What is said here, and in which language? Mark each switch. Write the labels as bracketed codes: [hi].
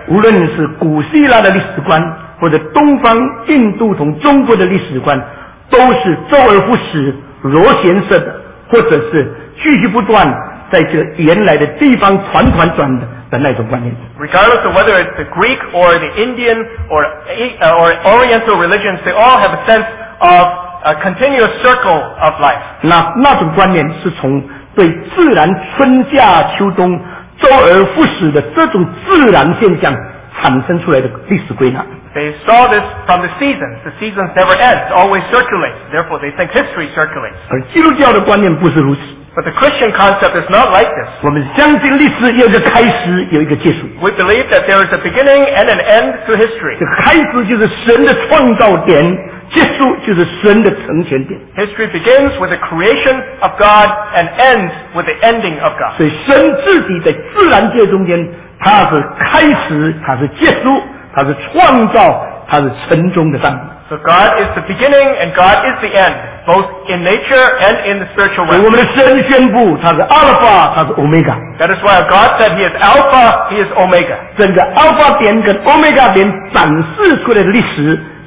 [zh] 无论是古希腊的历史观，或者东方印度同中国的历史观，都是周而复始、螺旋式的，或者是继续不断在这个原来的地方团团转的那种观念。 [en] Regardless of whether it's the Greek or the Indian or Oriental religions, they all have a sense of a continuous circle of life. [zh] 那种观念是从对自然春夏秋冬 周而复始的这种自然现象产生出来的历史归纳。 [en] They saw this from the seasons. The seasons never end, always circulate. Therefore, they think history circulates. [zh] 而基督教的观念不是如此。 [en] But the Christian concept is not like this. [zh] 我们相信历史有一个开始，有一个结束。 [en] We believe that there is a beginning and an end to history. [zh] 这开始就是神的创造点。结束就是神的成全点。 [en] History begins with the creation of God and ends with the ending of God. [zh] 所以神自己在自然界中间，他是开始，他是结束，他是创造，他是成终的上帝。 [en] So God is the beginning and God is the end, both in nature and in the spiritual realm. [zh] 我们的神宣布，他是阿尔法，他是欧米伽。 [en] That is why God said He is Alpha, He is Omega. [zh] 整个阿尔法点跟欧米伽点展示出来的历史。